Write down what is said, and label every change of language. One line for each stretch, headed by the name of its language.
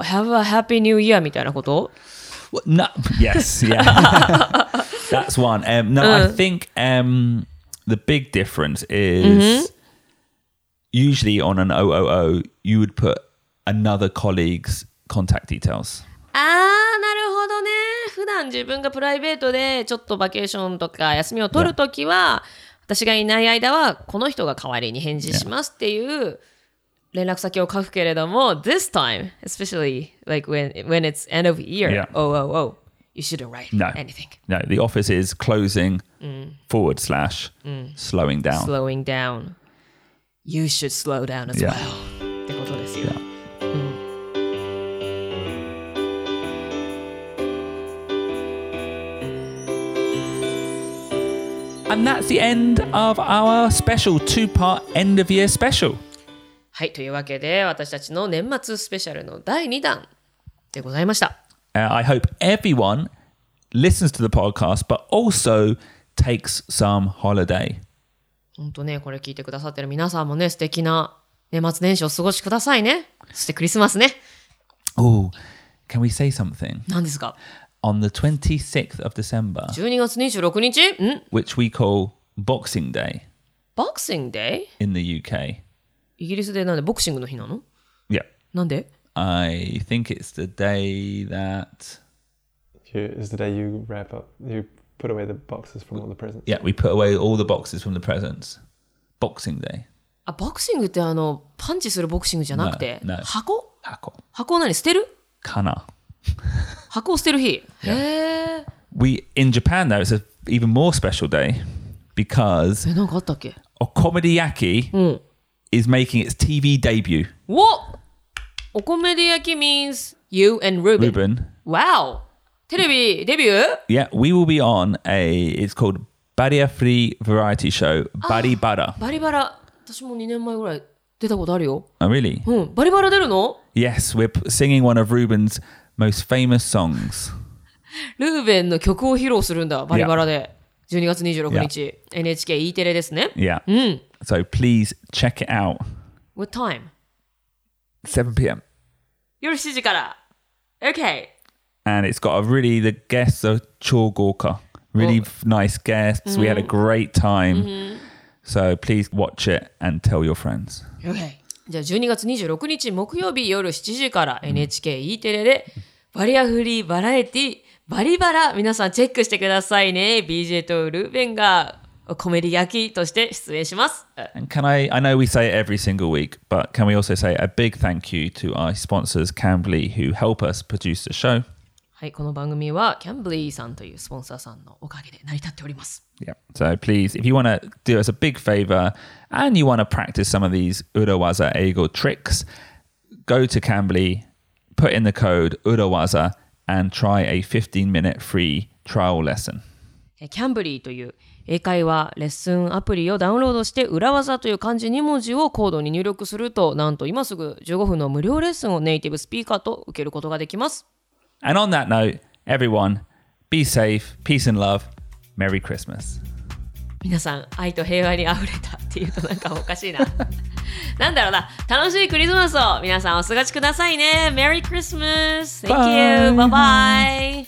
English: Have a happy new year
Japanese: みたいなこと?
English: Well, no, yes, yeah. That's one. No,、うん、I think、the big difference is、うん、usually on an 000, you would put another colleague's contact details.
Japanese: あー、なるほどね。普段自分がプライベートでちょっとバケーションとか休みを取るときは、yeah. 私がいない間はこの人が代わりに返事しますっていう連絡先を書くけれども、yeah.
English: This time, especially like when it's end of year,、yeah. You shouldn't write no. anything. No, the office is closing、mm. forward slash、mm. slowing down. Slowing down. You should slow down as、yeah. well.
Japanese: ってことですよ。
English: Yeah. And that's the end of our special two-part end of year special.
Japanese: はい、というわけで私たちの年末スペシャルの第2弾でございました。
English: I hope everyone listens to the podcast, but also takes some holiday.
Japanese: 本当ね、これ聞いてくださってる皆さんもね、素敵な年末年始を過ごしくださいね。そしてクリスマスね。
English: Oh, can we say something?
Japanese: 何ですか?
English: On the 26th of December,
Japanese: 12月26日、うん、
English: which we call Boxing Day. Boxing Day? In the UK.
Japanese: イギリスでなんでボクシングの日なの?
English: Yeah.
Japanese: なんで?
English: I think it's the day that... It's the day you wrap up, you put away the boxes from all the presents. Yeah, we put away all the boxes from the presents. Boxing Day.
Japanese: あ、ボクシングってあの、パンチするボクシングじゃなくて、
English: no, no.
Japanese: 箱? 箱。箱何?捨てる? かな。箱を捨てる日。
English: Yeah. We in Japan though, it's an even more special day because
Japanese: え、なんかあったっけ?
English: Okomediyaki、
Japanese: うん、
English: is making its TV debut. What? Okomediyaki means you and Ruben. Ruben. Wow. TV debut? Yeah, we will be on a. It's called Barrier Free Variety Show. Bari Bara. Bari Bara.
Japanese: 私も2年前ぐらい出たことあるよ。
English: Oh, really?
Japanese: うん。 Bari Bara 出るの?
English: Yes, we're singing one of Ruben's. Most famous songs.
Japanese: ルーベンの曲を披露するんだ、バリバラで。 12月26日、yeah. NHK E テレですね。
English: Yeah.、
Japanese: うん、
English: so please check it out. What time? 7 p.m.
Japanese: 夜7時から。Okay.
English: And it's got a really, the guests are
Japanese: 超豪華
English: Really、oh. nice guests.、Mm-hmm. We had a great time.、 Mm-hmm. So please watch it and tell your friends. Okay.
Japanese: じゃあ12月26日木曜日夜7時から NHK E テレでバリアフリーバラエティバリバラ皆さんチェックしてくださいね。 BJ とルーベンがコメディ焼きとして出演します。
English: And can I know we say it every single week, but can we also say a big thank you to our sponsors Cambly who help us produce the show?
Japanese: はい、この番組はキャンブリーさんというスポンサーさんのおかげで成り立っております。
English: Yeah. So please, if you want to do us a big favor and you want to practice some of these Urawaza Eigo tricks, go to Cambly, put in the code Urawaza and try a 15-minute free trial lesson.
Japanese: キャンブリーという英会話レッスンアプリをダウンロードして裏技という漢字2文字をコードに入力すると、なんと今すぐ15分の無料レッスンをネイティブスピーカーと受けることができます。
English: And on that note, everyone, be safe, peace and love, Merry Christmas.
Japanese: 皆さん、愛と平和にあふれたっていうとなんかおかしいな。なんだろうな、楽しいクリスマスを皆さんお過ごしくださいね。
English: Merry Christmas! Thank you! Bye-bye!